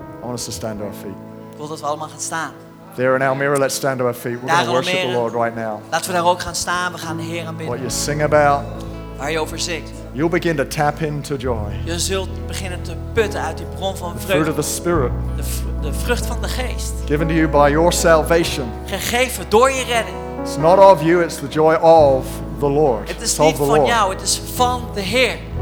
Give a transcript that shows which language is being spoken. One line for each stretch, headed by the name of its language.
English: I want us to stand to our feet.
Dutch: Ik wil dat we allemaal gaan staan.
English: There in Almere, let's stand to our feet. We're going to worship the Lord right now.
Dutch: Laten we daar ook gaan staan. We gaan de Heer aanbidden.
English: What you sing about.
Dutch: Waar je over zingt.
English: You'll begin to tap into joy.
Dutch: Je zult beginnen te putten uit die bron van vreugde.
English: The fruit of the Spirit.
Dutch: De vrucht van de geest.
English: Given to you by your salvation.
Dutch: Gegeven door je redding.
English: It's not of you, it's the joy of the Lord.
Dutch: Het is niet van jou, het is van de Heer.